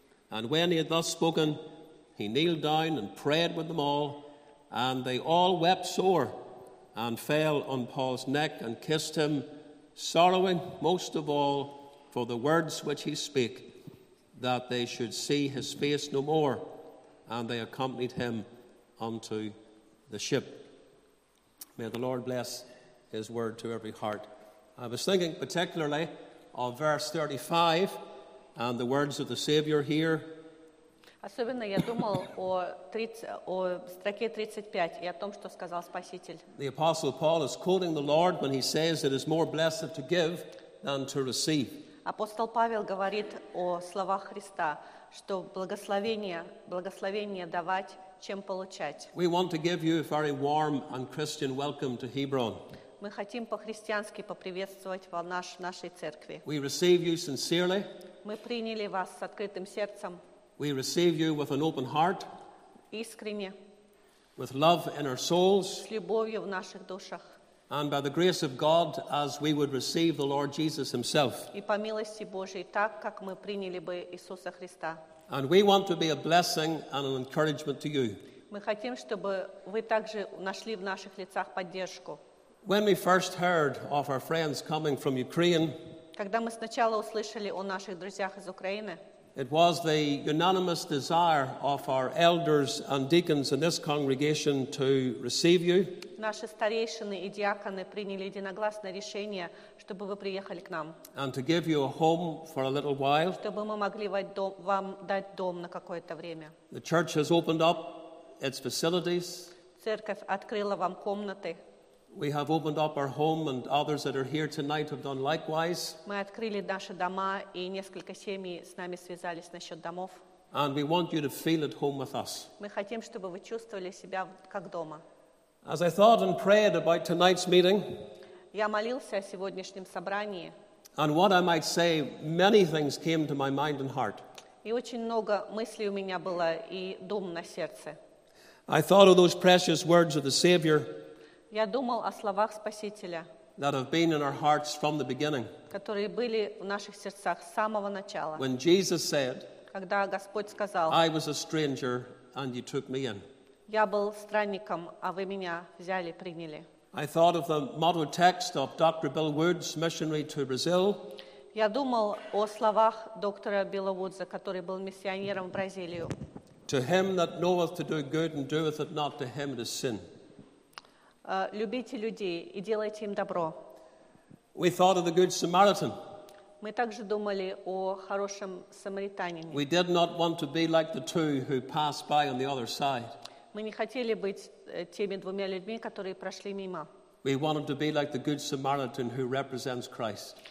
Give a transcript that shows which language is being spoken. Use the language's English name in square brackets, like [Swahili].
[English] And when he had thus spoken, he kneeled down and prayed with them all, and they all wept sore and fell on Paul's neck and kissed him, sorrowing most of all for the words which he spake, that they should see his face no more, and they accompanied him unto the ship. May the Lord bless his word to every heart. I was thinking particularly of verse 35 and the words of the Savior here. [Russian] Особенно я думал о строке 35 и о том, что сказал Спаситель. [English] The Apostle Paul is quoting the Lord when he says it is more blessed to give than to receive. [Russian] Апостол Павел говорит о словах Христа, что благословение давать, чем получать. [English] We want to give you a very warm and Christian welcome to Hebron. [Russian] Мы хотим по-христиански поприветствовать нашей церкви. [English] We receive you sincerely. [Russian] Мы приняли вас с открытым сердцем. [English] We receive you with an open heart. [Russian] Искренне. [English] With love in our souls. [Russian] С любовью в наших душах. [English] And by the grace of God, as we would receive the Lord Jesus himself. [Russian] И по милости Божией, так как мы приняли бы Иисуса Христа. [English] And we want to be a blessing and an encouragement to you. [Russian] Мы хотим, чтобы вы также нашли в наших лицах поддержку. [English] When we first heard of our friends coming from Ukraine, [Russian] когда мы сначала услышали о наших друзьях из Украины, [English] it was the unanimous desire of our elders and deacons in this congregation to receive you. [Russian] Наши старейшины и диаконы приняли единогласное решение, чтобы вы приехали к нам. [English] And to give you a home for a little while. [Russian] Чтобы мы могли вам дать дом на какое-то время. [English] The church has opened up its facilities. [Russian] Церковь открыла вам комнаты. [English] We have opened up our home, and others that are here tonight have done likewise. [Russian] Мы открыли наши дома, и несколько семей с нами связались насчет домов. [English] And we want you to feel at home with us. [Russian] Мы хотим, чтобы вы чувствовали себя как дома. [English] As I thought and prayed about tonight's meeting, [Russian] я молился о сегодняшнем собрании. [English] And what I might say, many things came to my mind and heart. [Russian] И очень много мыслей у меня было и дум на сердце. [English] I thought of those precious words of the Savior. [Russian] Я думал о словах Спасителя, [English] that have been in our hearts from the beginning, [Russian] которые были в наших сердцах с самого начала. [English] When Jesus said, [Russian] когда Господь сказал, [English] I was a stranger and you took me in. [Russian] Я был странником, а вы меня взяли, приняли. [English] I thought of the motto text of Dr. Bill Woods, missionary to Brazil. [Russian] Я думал о словах доктора Билла Вудза, который был миссионером в Бразилию. [English] To him that knoweth to do good and doeth it not, to him it is sin. [Russian] Любите людей и делайте им добро. [English] We thought of the good Samaritan. [Russian] Мы также думали о хорошем самаритянине. [English] We did not want to be like the two who passed by on the other side. [Russian] Мы не хотели быть теми двумя людьми, которые прошли мимо. [English] We wanted to be like the good Samaritan who represents Christ.